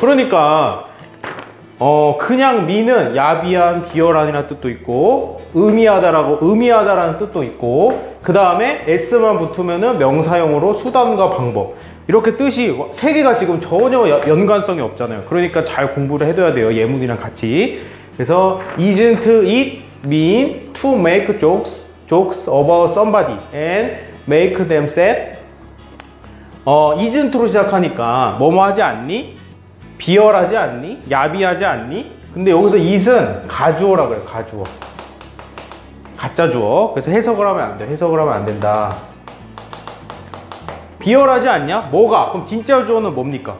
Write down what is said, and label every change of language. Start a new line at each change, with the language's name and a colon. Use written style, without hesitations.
Korean: 그러니까 그냥 민은 야비한, 비열한이라는 뜻도 있고 의미하다라는 뜻도 있고 그 다음에 S만 붙으면은 명사형으로 수단과 방법, 이렇게 뜻이 세 개가 지금 전혀 연관성이 없잖아요. 그러니까 잘 공부를 해둬야 돼요. 예문이랑 같이. 그래서
English: isn't it mean to make jokes about somebody and make them sad?
Korean: isn't로 시작하니까 뭐뭐 하지 않니? 비열하지 않니? 야비하지 않니? 근데 여기서 it은 가주어라 그래요. 가주어. 가짜 주어. 그래서 해석을 하면 안 돼. 해석을 하면 안 된다. 비열하지 않냐? 뭐가? 그럼 진짜 주어는 뭡니까?